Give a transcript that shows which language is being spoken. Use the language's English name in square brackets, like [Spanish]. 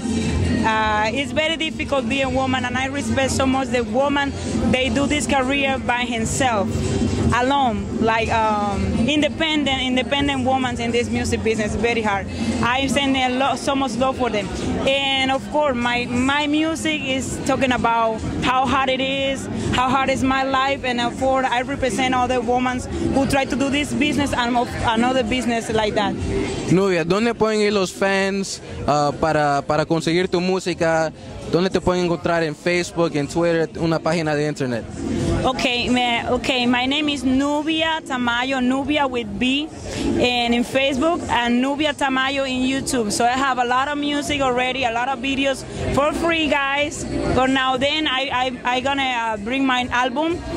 [English] It's very difficult being a woman, and I respect so much the woman, they do this career by himself, alone, like independent women in this music business, very hard. I send a lot, so much love for them. And of course, my music is talking about how hard it is, how hard is my life, and of course, I represent all the women who try to do this business and another business like that. [Spanish] Nubia, ¿dónde pueden ir los fans para conseguir tu música? ¿Dónde te pueden encontrar en Facebook, en Twitter, una página de internet? [English] Okay, my name is Nubia Tamayo, Nubia with B, and in Facebook, and Nubia Tamayo in YouTube. So I have a lot of music already, a lot of videos for free, guys. But now then, I'm going to bring my album.